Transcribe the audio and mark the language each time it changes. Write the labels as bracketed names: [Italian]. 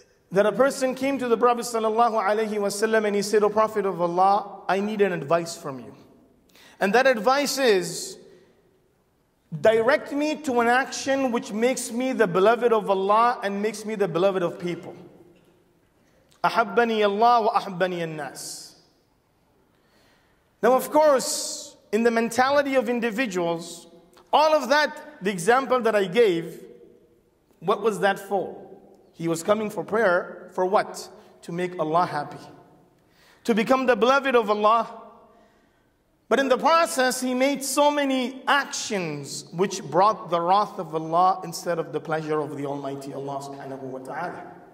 [English] That a person came to the Prophet sallallahu alayhi wa sallam and he said, O Prophet of Allah, I need an advice from you. And that advice is, direct me to an action which makes me the beloved of Allah and makes me the beloved of people. [Arabic] أحبني الله وأحبني الناس. [English] Now of course, in the mentality of individuals, all of that, the example that I gave, what was that for? He was coming for prayer, for what? To make Allah happy. To become the beloved of Allah. But in the process, he made so many actions which brought the wrath of Allah instead of the pleasure of the Almighty Allah subhanahu wa ta'ala.